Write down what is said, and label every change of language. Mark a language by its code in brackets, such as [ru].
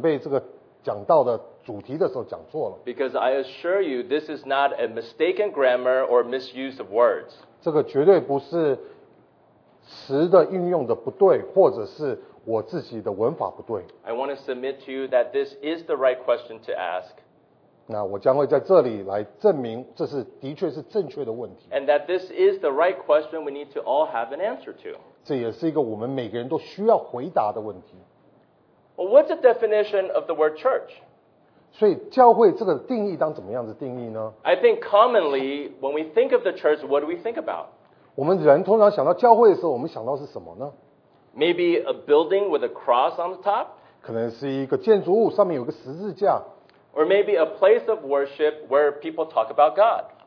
[zh] 所以你不要认为我在准备这个讲道的 主题的时候讲错了, [en] because I assure you, this is not a mistaken grammar or misuse of words. [zh] 这个绝对不是词的运用的不对, 或者是我自己的文法不对。 [en] I want to submit to you that this is the right question to ask. [zh] 那我将会在这里来证明这是的确是正确的问题。 [en] And that this is the right question we need to all have an answer to. [zh] 这也是一个我们每个人都需要回答的问题。 [en] Well, what's the definition of the word church? [zh] 所以教会这个定义当怎么样子定义呢? [en] I think commonly, when we think of the church, what do we think about? [zh] 我们人通常想到教会的时候,我们想到是什么呢? [en] Maybe a building with a cross on the top? [zh] 可能是一个建筑物,上面有个十字架。 [en] Or maybe a place of worship where people talk about God.